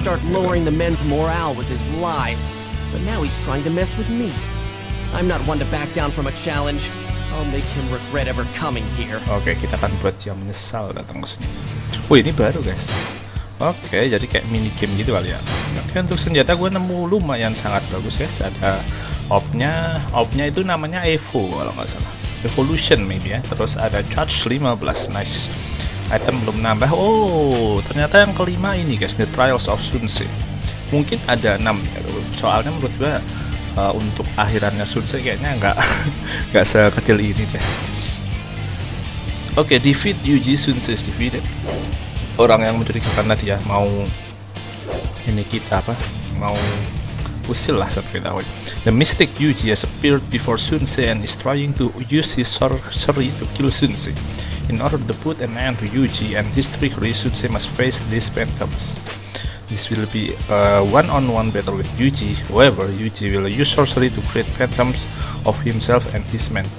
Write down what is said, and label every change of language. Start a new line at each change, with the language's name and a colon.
English: Start lowering the men's morale with his lies, but now he's trying to mess with me. I'm not one to back down from a challenge. I'll make him regret ever coming here.
Indonesian: Oke, kita akan buat dia menyesal datang ke sini. Wih, ini baru guys. Oke, jadi kayak mini game gitu kali ya. Oke, untuk senjata gue nemu lumayan sangat bagus guys. Ada op-nya. Op-nya itu namanya Evo kalau nggak salah. Evolution maybe ya. Terus ada charge 15. Nice. Item belum nambah. Oh, ternyata yang kelima ini guys, The Trials of Sunsei. Mungkin ada 6 ya. Soalnya menurut gue untuk akhirannya Sunsei kayaknya nggak sekecil ini deh. Oke,
English: defeat Yuji. Sunsei is defeated.
Indonesian: Orang yang mencurigakan tadi ya mau ini kita apa? Mau usil lah seperti tahu.
English: The mystic Yuji has appeared before Sunsei and is trying to use his sorcery to kill Sunsei. In order to put an end to Yuji and his trickery, Sunsei must face these phantoms. This will be a one-on-one battle with Yuji. However, Yuji will use sorcery to create phantoms of himself and his men.